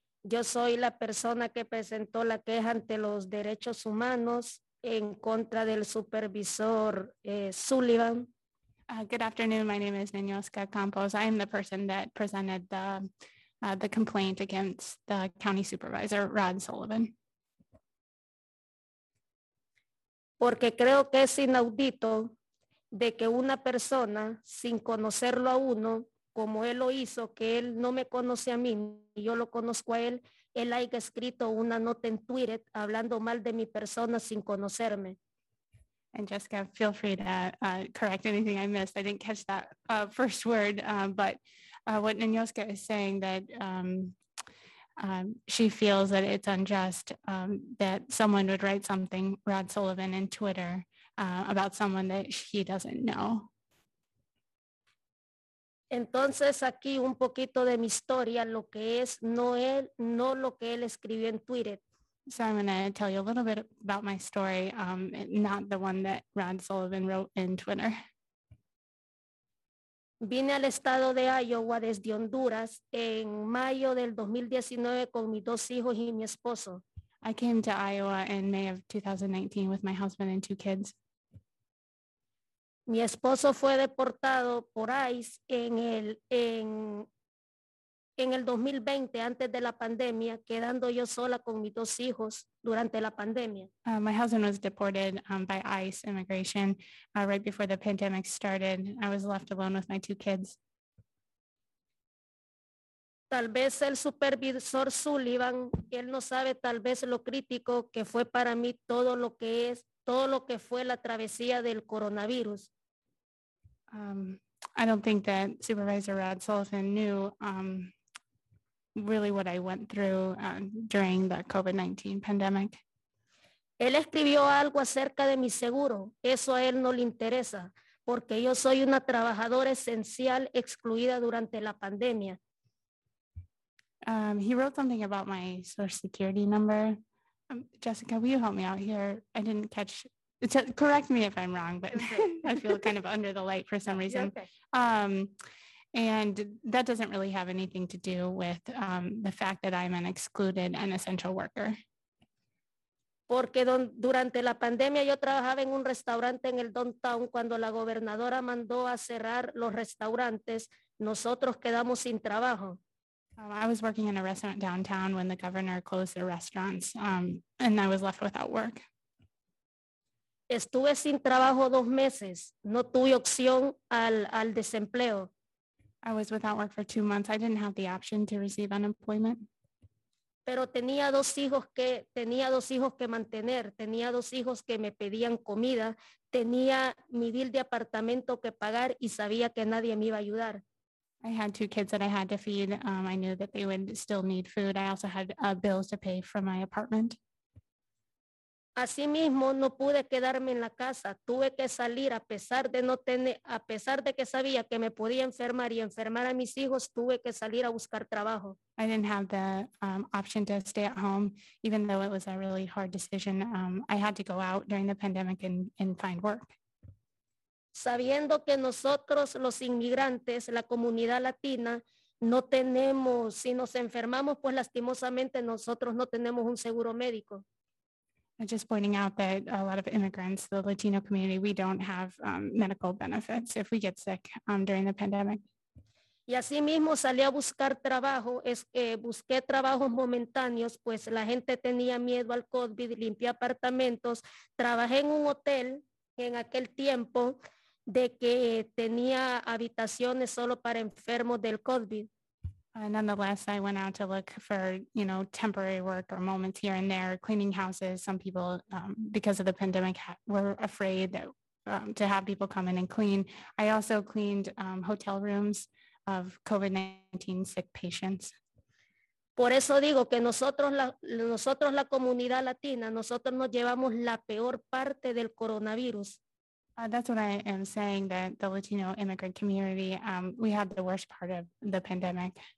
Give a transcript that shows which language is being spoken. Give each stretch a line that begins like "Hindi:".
Spanish: Yo soy la persona que presentó la queja ante los derechos humanos en contra del supervisor Sullivan.
English: Good afternoon. My name is Ninyoska Campos. I am the person that presented the complaint against the county supervisor, Rod Sullivan.
Spanish: Porque creo que es inaudito de que una persona, sin conocerlo a uno, como él lo hizo, que él no me conoce a mí, yo lo conozco a él, él haya escrito una nota en Twitter hablando mal de mi persona sin conocerme.
English: And Jessica, feel free to correct anything I missed. I didn't catch that first word, but what Ninyoska is saying that she feels that it's unjust that someone would write something, Rod Sullivan, in Twitter about someone that he doesn't know.
Spanish: Entonces aquí un poquito de mi historia, lo que es, no él, no lo que él escribió en Twitter.
English: So I'm going to tell you a little bit about my story, not the one that Rod Sullivan wrote in Twitter.
Spanish: Vine al estado de Iowa desde Honduras en mayo del 2019 con mis dos hijos y mi esposo.
English: I came to Iowa in May of 2019 with my husband and two kids.
Spanish: Mi esposo fue deportado por ICE en el 2020, antes de la pandemia, quedando yo sola con mis dos hijos durante la pandemia.
English: My husband was deported by ICE immigration right before the pandemic started. I was left alone with my two kids.
Spanish: Tal vez el supervisor Sullivan, él no sabe tal vez lo crítico que fue para mí todo lo que es, todo lo que fue la travesía del coronavirus.
English: I don't think that Supervisor Rod Sullivan knew really what I went through during the COVID-19 pandemic.
Spanish: Él escribió algo acerca de mi seguro. Eso a él no le interesa, porque yo soy una trabajadora esencial excluida durante la pandemia.
English: He wrote something about my social security number. Jessica, will you help me out here? I didn't catch. Correct me if I'm wrong, but okay. I feel kind of under the light for some reason. And that doesn't really have anything to do with the fact that I'm an excluded and essential worker.
Spanish: Porque durante la pandemia yo trabajaba en un restaurante en el downtown cuando la gobernadora mandó a cerrar los restaurantes, nosotros quedamos sin trabajo.
English: I was working in a restaurant downtown when the governor closed the restaurants and I was left without work.
Spanish: Estuve sin trabajo dos meses, no tuve opción al desempleo.
English: I was without work for 2 months. I didn't have the option to receive unemployment.
Spanish: Pero tenía dos hijos que mantener, tenía dos hijos que me pedían comida, tenía mi bill de apartamento que pagar y sabía que nadie me iba a ayudar.
English: I had two kids that I had to feed. I knew that they would still need food. I also had bills to pay for my apartment.
Spanish: Así mismo no pude quedarme en la casa. Tuve que salir a pesar de no tener, a pesar de que sabía que me podía enfermar y enfermar a mis hijos, tuve que salir a buscar trabajo.
English: I didn't have the option to stay at home, even though it was a really hard decision. I had to go out during the pandemic and find work.
Spanish: Sabiendo que nosotros los inmigrantes, la comunidad latina, no tenemos, si nos enfermamos, pues lastimosamente nosotros no tenemos un seguro médico.
English: Just pointing out that a lot of immigrants, the Latino community, we don't have medical benefits if we get sick during the pandemic.
Spanish: Y así mismo salí a buscar trabajo, busqué trabajos momentáneos, pues la gente tenía miedo al COVID, limpié apartamentos, trabajé en un hotel en aquel tiempo de que tenía habitaciones solo para enfermos del COVID.
English: Nonetheless, I went out to look for, you know, temporary work or moments here and there, cleaning houses. Some people, because of the pandemic, were afraid that, to have people come in and clean. I also cleaned hotel rooms of COVID-19 sick patients.
Spanish: Por eso digo que nosotros la comunidad latina, nosotros nos llevamos la peor parte del coronavirus.
English: That's what I am saying, that the Latino immigrant community, we had the worst part of the pandemic.